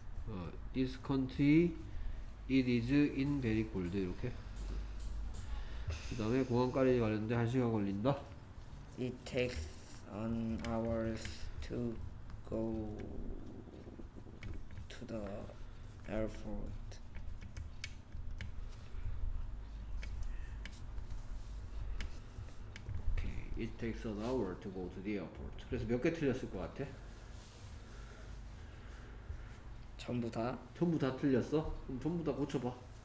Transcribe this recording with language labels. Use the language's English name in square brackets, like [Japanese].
[English] 어, this country, it is in very cold. [Korean] 이렇게. 그 다음에 공항까지 가려는데 한 시간 걸린다. [English] It takes an hour to go to the airport. Okay, it takes an hour to go to the airport. [Korean] 그래서 몇 개 틀렸을 것 같아? 전부 다? 전부 다 틀렸어? 그럼 전부 다 고쳐봐.